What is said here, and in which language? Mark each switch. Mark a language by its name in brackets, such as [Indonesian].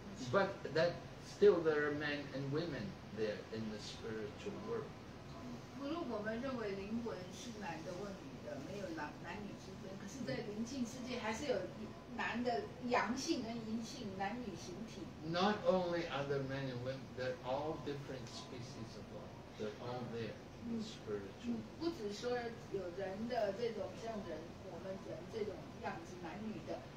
[English] But that still there are men and women there in the spiritual world. [Chinese] 不是我们认为灵魂是男的或女的，没有男女之分。可是，在灵性世界还是有男的阳性跟阴性，男女形体。 [English] Not only are there men and women, they're all different species of life. They're all there in the spiritual. [Chinese] 不只说有人的这种像人，我们人这种样子，男女的。